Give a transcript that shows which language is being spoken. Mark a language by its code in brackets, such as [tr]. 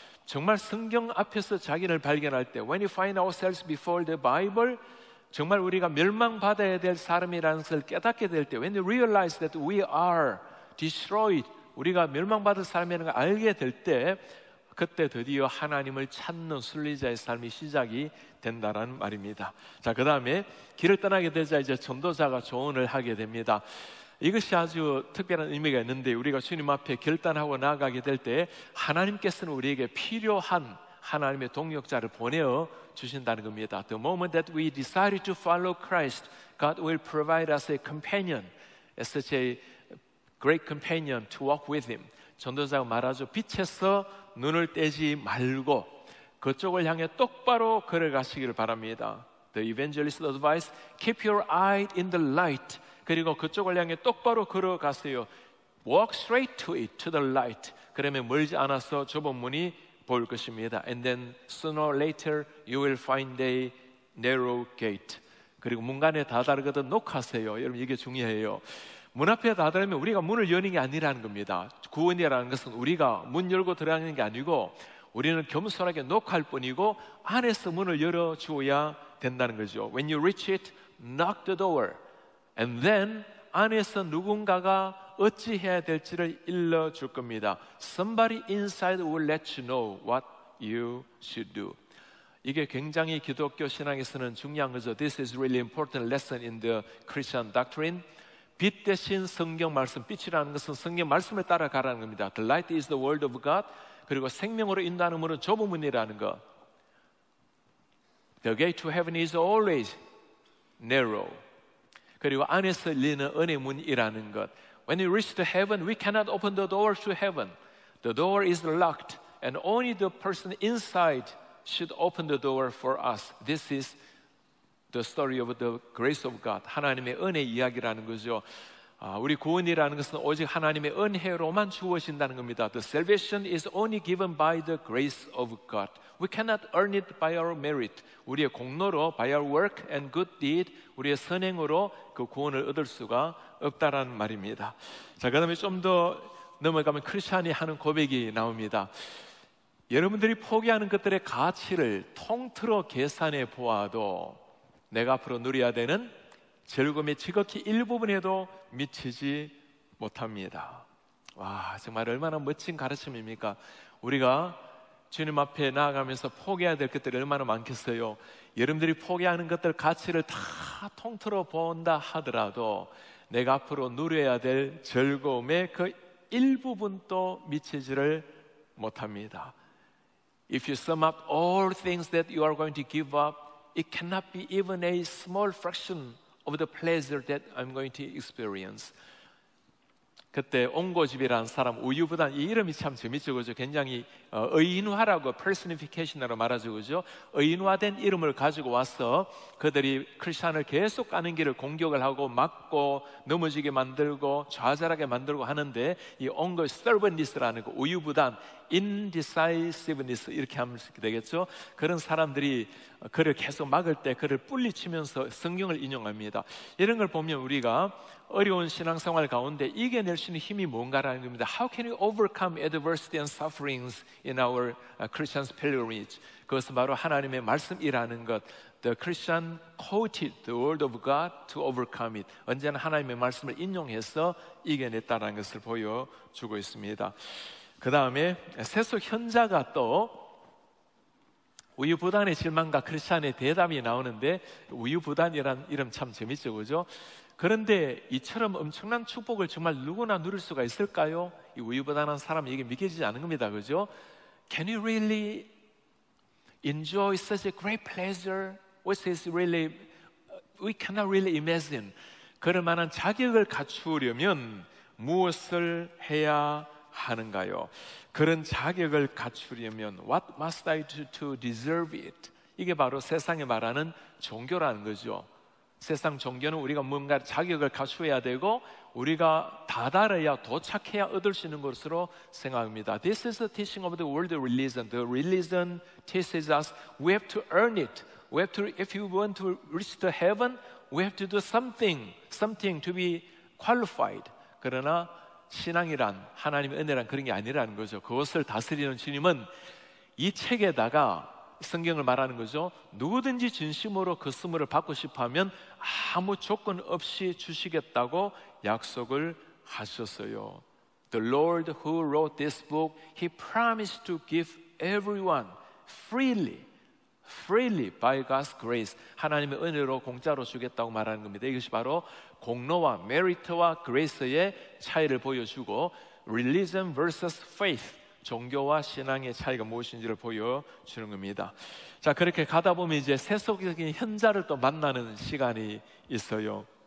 [ko] 정말 성경 앞에서 자기를 발견할 때, [en] When you find ourselves before the Bible, [ko] 정말 우리가 멸망받아야 될 사람이라는 것을 깨닫게 될 때, [en] When you realize that we are destroyed, [ko] 우리가 멸망받을 사람이라는 걸 알게 될 때, 그때 드디어 하나님을 찾는 순례자의 삶이 시작이 된다라는 말입니다. 자, 그 다음에 길을 떠나게 되자 이제 전도자가 조언을 하게 됩니다. 이것이 아주 특별한 의미가 있는데, 우리가 주님 앞에 결단하고 나아가게 될 때 하나님께서는 우리에게 필요한 하나님의 동역자를 보내어 주신다는 겁니다. [en] The moment that we decided to follow Christ, God will provide us a companion, such a great companion to walk with him. [ko] 전도자가 말하죠. 빛에서 눈을 떼지 말고 그쪽을 향해 똑바로 걸어가시기를 바랍니다. [en] The evangelist advised, keep your eye in the light. [ko] 그리고 그쪽을 향해 똑바로 걸어가세요. [en] Walk straight to it, to the light. [ko] 그러면 멀지 않아서 좁은 문이 보일 것입니다. [en] And then sooner or later you will find a narrow gate. [ko] 그리고 문간에 다다르거든 녹하세요. 여러분 이게 중요해요. 문 앞에 다다르면 우리가 문을 여는 게 아니라는 겁니다. 구원이라는 것은 우리가 문 열고 들어가는 게 아니고 우리는 겸손하게 녹할 뿐이고 안에서 문을 열어주어야 된다는 거죠. [en] When you reach it, knock the door. And then [ko] 안에서 누군가가 어찌 해야 될지를 일러줄 겁니다. [en] Somebody inside will let you know what you should do. [ko] 이게 굉장히 기독교 신앙에서는 중요한 거죠. [en] This is really important lesson in the Christian doctrine. [ko] 빛 대신 성경 말씀, 빛이라는 것은 성경 말씀을 따라가라는 겁니다. [en] The light is the word of God. [ko] 그리고 생명으로 인도하는 문은 좁은 문이라는 것. [en] The gate to heaven is always narrow. [ko] 그리고 안에서 열리는 은혜의 문이라는 것. [en] When you reach the heaven, we cannot open the door to heaven. The door is locked, and only the person inside should open the door for us. This is the story of the grace of God. [ko] 하나님의 은혜 이야기라는 거죠. 우리 구원이라는 것은 오직 하나님의 은혜로만 주어진다는 겁니다. [en] The salvation is only given by the grace of God. We cannot earn it by our merit. [ko] 우리의 공로로, [en] by our work and good deed, [ko] 우리의 선행으로 그 구원을 얻을 수가 없다라는 말입니다. 자, 그 다음에 좀 더 넘어가면 크리스천이 하는 고백이 나옵니다. 여러분들이 포기하는 것들의 가치를 통틀어 계산해 보아도 내가 앞으로 누려야 되는 즐거움의 지극히 일부분에도 미치지 못합니다. 와, 정말 얼마나 멋진 가르침입니까? 우리가 주님 앞에 나아가면서 포기해야 될 것들이 얼마나 많겠어요? 여러분들이 포기하는 것들 가치를 다 통틀어 본다 하더라도 내가 앞으로 누려야 될 즐거움의 그 일부분도 미치지를 못합니다. [en] If you sum up all things that you are going to give up, it cannot be even a small fraction of the pleasure that I'm going to experience. [ko] 그때 옹고집이라는 사람, 우유부단, 이 이름이 참 재밌죠, 그죠? 굉장히 의인화라고, personification으로 말하죠, 그죠? 의인화된 이름을 가지고 와서 그들이 크리스천을 계속 가는 길을 공격을 하고 막고 넘어지게 만들고 좌절하게 만들고 하는데 이 옹고 servantness라는 거, 우유부단, indecisiveness 이렇게 하면 되겠죠? 그런 사람들이 그를 계속 막을 때 그를 뿔리치면서 성경을 인용합니다. 이런 걸 보면 우리가 어려운 신앙생활 가운데 이겨낼 수 있는 힘이 뭔가라는 겁니다. [en] How can we overcome adversity and sufferings in our Christian pilgrimage? [ko] 그것은 바로 하나님의 말씀이라는 것. [en] The Christian quoted the word of God to overcome it. [ko] 언제나 하나님의 말씀을 인용해서 이겨냈다는 것을 보여주고 있습니다. 그 다음에 세속 현자가 또 우유부단의 질문과 크리스천의 대답이 나오는데 우유부단이라는 이름 참 재밌죠, 그죠? 그런데 이처럼 엄청난 축복을 정말 누구나 누릴 수가 있을까요? 이 우유부단한 사람이 이게 믿겨지지 않은 겁니다, 그죠? [en] Can you really enjoy such a great pleasure which is really, we cannot really imagine? [ko] 그럴 만한 자격을 갖추려면 무엇을 해야 하는가요? 그런 자격을 갖추려면 [en] What must I do to deserve it? [ko] 이게 바로 세상에 말하는 종교라는 거죠. 세상 종교는 우리가 뭔가 자격을 갖추어야 되고 우리가 다다라야 도착해야 얻을 수 있는 것으로 생각합니다. [en] This is the teaching of the world religion. The religion teaches us we have to earn it. We have to, if you want to reach the heaven, we have to do something, something to be qualified. [ko] 그러나 신앙이란 하나님의 은혜란 그런 게 아니라는 거죠. 그것을 다스리는 주님은 이 책에다가 성경을 말하는 거죠. 누구든지 진심으로 그 선물을 받고 싶어하면 아무 조건 없이 주시겠다고 약속을 하셨어요. [en] The Lord who wrote this book, He promised to give everyone freely, freely by God's grace. [ko] 하나님의 은혜로 공짜로 주겠다고 말하는 겁니다. 이것이 바로 공로와 메리트와 그레이스의 차이를 보여주고 [en] Religion versus Faith, [ko] 종교와 신앙의 차이가 무엇인지를 보여주는 겁니다. 자, 그렇게 가다 보면 이제 세속적인 현자를 또 만나는 시간이 있어요.